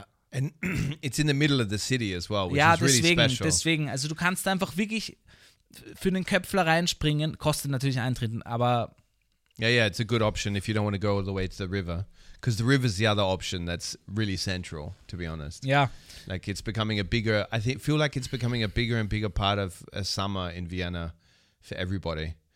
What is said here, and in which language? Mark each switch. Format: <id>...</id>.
<en>And it's in the middle of the city as well, which is really</en> <de>deswegen,</de> <en>special. Ja,</en> <de>deswegen, also du kannst einfach wirklich für den Köpfler reinspringen, kostet natürlich Eintritt, aber...</de> <en>Yeah, it's a good option if you don't want to go all the way to the river. Because the river is the other option that's really central, to be honest. Yeah. Like it's becoming a bigger, feel like it's becoming a bigger and bigger part of a summer in Vienna for everybody.</en>